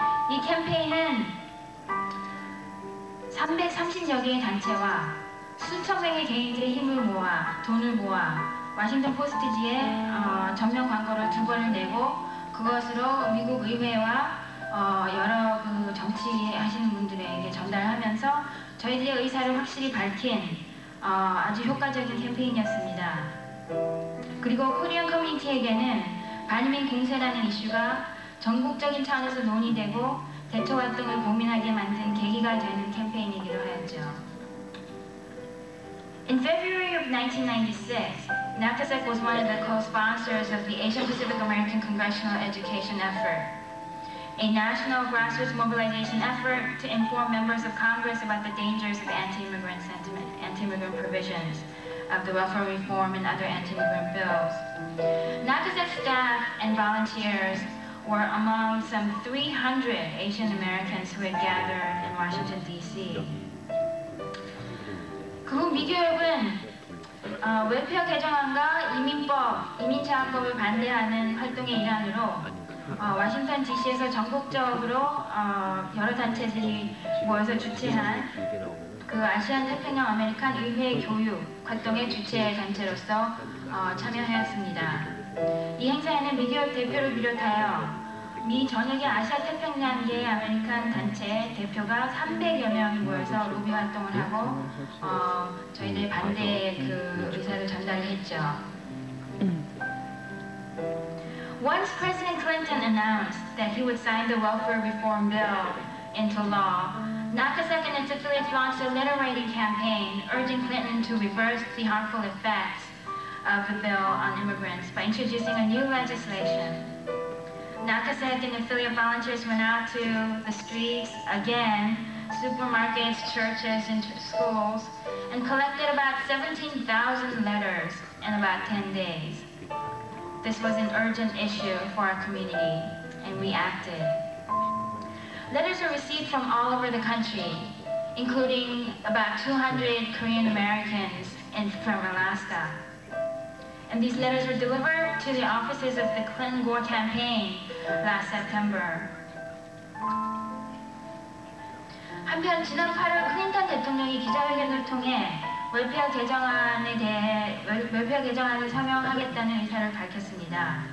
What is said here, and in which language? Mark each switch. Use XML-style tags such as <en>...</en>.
<ko>이 캠페인은 330여 개의 단체와 수천 명의 개인들의 힘을 모아 돈을 모아 워싱턴 포스트지에 전면 광고를 두 번을 내고 그것으로 미국 의회와 여러 그 정치하시는 분들에게 전달하면서 저희들의 의사를 확실히 밝힌 아주 효과적인 캠페인이었습니다. 그리고 코리안 커뮤니티에게는 반이민 공세라는 이슈가 전국적인 차원에서 논의되고 대처 활동을 고민하게 만든 계기가 되는 캠페인이기도 하였죠.</ko> <en>In February of 1996, NACASEC was one of the co-sponsors of the Asian Pacific American Congressional Education Effort, a national grassroots mobilization effort to inform members of Congress about the dangers of anti-immigrant sentiment, anti-immigrant provisions of the welfare reform and other anti-immigrant bills. NACASEC staff and volunteers were among some 300 Asian Americans who had gathered in Washington, D.C.</en> <ko>그후 미교협은 외표 개정안과 이민법, 이민자안법을 반대하는 활동의 일환으로 워싱턴 D.C.에서 전국적으로 여러 단체들이 모여서 주최한 그 아시안 태평양 아메리칸 의회 교육 활동의 주최 단체로서 참여하였습니다. 이 행사에는 미디어 대표를 비롯하여 미 전역의 아시아 태평양계 아메리칸 단체 대표가 300여 명이 모여서 로비 활동을 하고 저희들 반대의 그 의사를 전달했죠.</ko> <en>Once President Clinton announced that he would sign the welfare reform bill into law, Nakasek and its affiliates launched a letter writing campaign urging Clinton to reverse the harmful effects of the bill on immigrants by introducing a new legislation. Nakasek and affiliate volunteers went out to the streets again, supermarkets, churches, and schools, and collected about 17,000 letters in about 10 days. This was an urgent issue for our community, and we acted. Letters were received from all over the country, including about 200 Korean Americans from Alaska. And these letters were delivered to the offices of the Clinton-Gore campaign last September.</en> <ko>한편 지난 8월 클린턴 대통령이 기자회견을 통해 웰페어 개정안을 서명하겠다는 의사를 밝혔습니다.</ko>